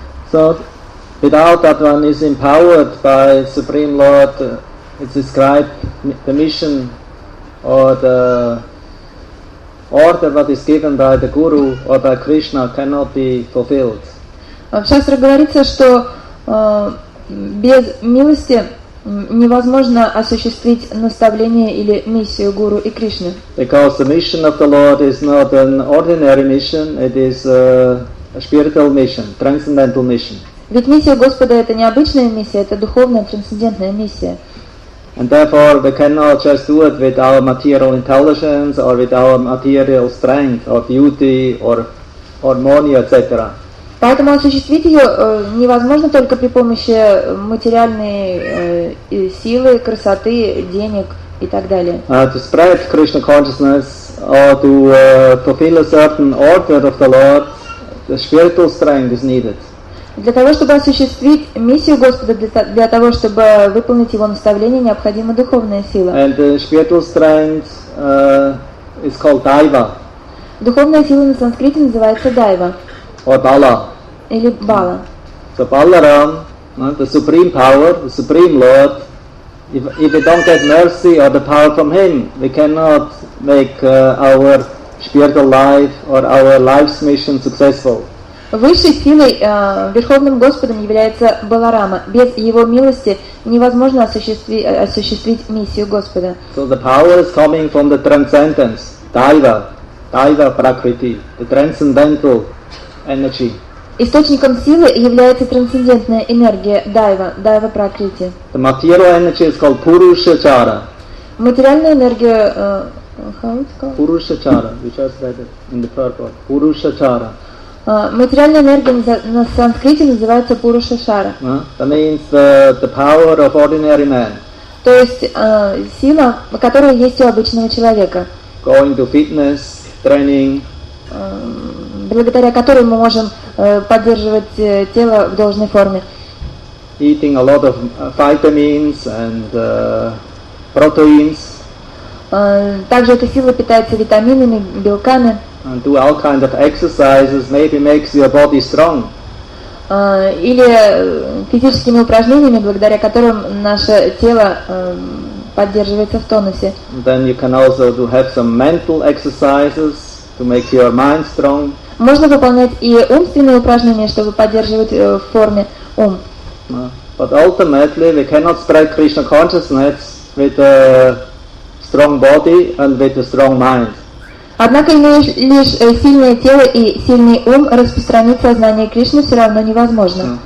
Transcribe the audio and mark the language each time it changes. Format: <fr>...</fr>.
<en>So, without that one is empowered by Supreme Lord, it's described the mission or the order that is given by the Guru or by Krishna cannot be fulfilled.</en> <ru>В шастрах говорится, что без милости невозможно осуществить наставление или миссию Гуру и Кришны.</ru> <en>Because the mission of the Lord is not an ordinary mission, it is a spiritual mission, transcendental mission.</en> <ru>Ведь миссия Господа — это не обычная миссия, это духовная, трансцендентная миссия.</ru> <en>And therefore we cannot just do it with our material intelligence or with our material strength or beauty or money, etc.</en> <ru>Поэтому осуществить ее невозможно только при помощи материальной силы, красоты, денег и так далее.</ru> <en>To spread Krishna consciousness or to fulfill a certain order of the Lord, the spiritual strength is needed.</en> <ru>Для того, чтобы осуществить миссию Господа, для того, чтобы выполнить Его наставление, необходима духовная сила.</ru> <en>And spiritual strength is called daiva.</en> <ru>Духовная сила на санскрите называется дайва.</ru> <en>Or bala.</en> <ru>Или бала.</ru> <en>So Balaram, the supreme power, the supreme Lord, if we don't get mercy or the power from Him, we cannot make our spiritual life or our life's mission successful.</en> <ru>Высшей силой, Верховным Господом является Баларама. Без Его милости невозможно осуществить миссию Господа.</ru> <en>So the power is coming from the transcendence, Daiva, Daiva Prakriti, the transcendental energy.</en> <ru>Источником силы является трансцендентная энергия, Daiva, Daiva Prakriti.</ru> <en>The material energy is called Purushachara.</en> <ru>Материальная энергия,</ru> <en>how it's called? Purushachara, we just read it in the third part, Purushachara.</en> <ru>Материальная энергия на санскрите называется Пурушашара.</ru> <en>That means the power of ordinary man.</en> <ru>То есть сила, которая есть у обычного человека.</ru> <en>Going to fitness, training.</en> <ru>Благодаря которой мы можем поддерживать тело в должной форме.</ru> <en>Eating a lot of vitamins and proteins.</en> <ru>Также эта сила питается витаминами, белками.</ru> <en>And do all kind of exercises, maybe makes your body strong.</en> <ru>Или физическими упражнениями, благодаря которым наше тело поддерживается в тонусе.</ru> <en>Then you can also do have some mental exercises to make your mind strong.</en> <ru>Можно выполнять и умственные упражнения, чтобы поддерживать в форме ум.</ru> <en>But ultimately, we cannot spread Krishna consciousness with a strong body and with a strong mind.</en> <ru>Однако лишь сильное тело и сильный ум распространить сознание Кришны все равно невозможно.</ru>